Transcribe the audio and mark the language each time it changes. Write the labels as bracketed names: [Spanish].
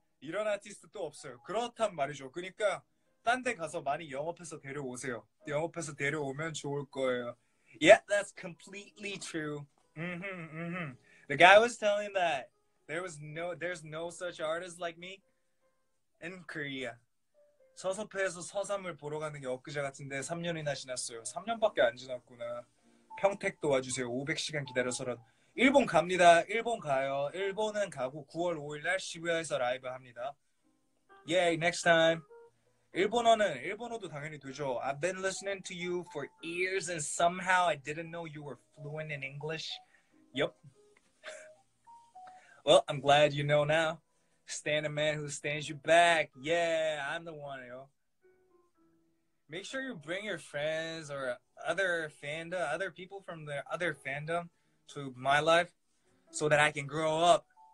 [Korean] 이런 아티스트도 없어요. 그렇단 말이죠. 그러니까 딴 데 가서 많이 영업해서 데려오세요. 영업해서 데려오면 좋을 거예요. [English] Yeah, that's completely true. Mm-hmm. The guy was telling that there's no such artist like me in Korea. [Korean] 서섭회에서 서삼을 보러 가는 게 엊그제 같은데 3년이나 지났어요. 3년밖에 안 지났구나. 평택도 와주세요. 500시간 기다려서 일본 갑니다. 일본 가요. 일본은 가고 9월 5일 날 시부야에서 라이브 합니다. [English] Yay, next time. [Korean] 일본어는 일본어도 당연히 되죠. [English] I've been listening to you for years and somehow I didn't know you were fluent in English. Yup. Well, I'm glad you know now. Stand a man who stands you back. Yeah, I'm the one, yo. Make sure you bring your friends or other fandom, other people from the other fandom to my life so that I can grow up.